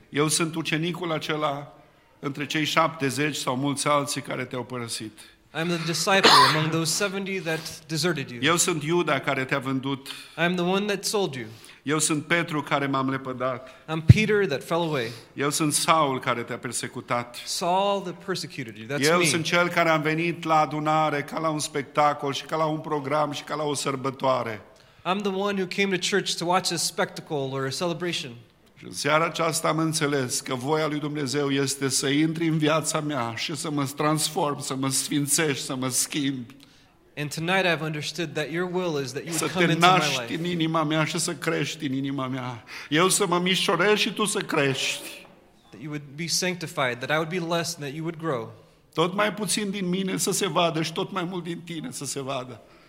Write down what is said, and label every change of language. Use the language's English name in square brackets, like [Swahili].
[Romanian] Eu sunt ucenicul acela între cei 70 sau mulți alții care te-au părăsit. [English] I am the disciple among those 70 that deserted you. [Romanian] Eu sunt Iuda care te-a vândut. [English] I am the one that sold you. [Romanian] Eu sunt Petru care m-am lepădat. [English] I'm Peter that fell away. [Romanian] Eu sunt Saul care te-a persecutat. [English] Saul that persecuted you. That's me. [Romanian] Eu sunt cel care am venit la adunare ca la un spectacol și ca la un program și ca la o sărbătoare. [English] I'm the one who came to church to watch a spectacle or a celebration. [Romanian] Și în seara aceasta am înțeles că voia lui Dumnezeu este să intri în viața mea și să mă transform, să mă sfințești, să mă schimbi. [English] And tonight I've understood that your will is that you [Romanian] să [English] come into my life. [Romanian] Să te naști în inima mea și să crești în inima mea. Eu să mă mișorez și tu să crești. [English] That you would be sanctified, that I would be less and that you would grow. [Romanian] Tot mai puțin din mine să se vadă și tot mai mult din tine să se vadă.